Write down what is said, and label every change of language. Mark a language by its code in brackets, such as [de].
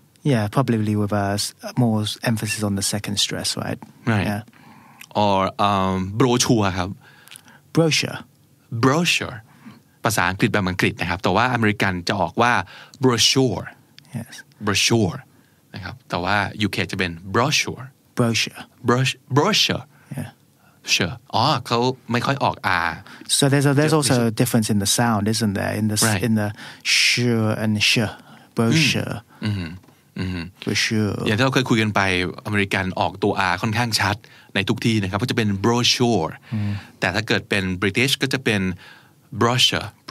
[en] yeah probably with a more emphasis on the second stress right right yeah. or brochure ครับ brochure [th] brochureภาษาอังกฤษแบบอังกฤษนะครับแต่ว่าอเมริกันจะออกว่า brochure [en] yes [th] brochure นะครับแต่ว่า UK จะเป็น brochure [en] brochure brochure yeah [th] sure อ๋อเขาไม่ค่อยออก r [en] so there's also a difference in the sound isn't there in the right. in the sure and sh brochure [th] brochure อย่างที่เราเคยคุยกันไปอเมริกันออกตัว r ค่อนข้างชัดในทุกที่นะครับก็จะเป็น brochure แต่ถ้าเกิดเป็น British ก็จะเป็นBrochure.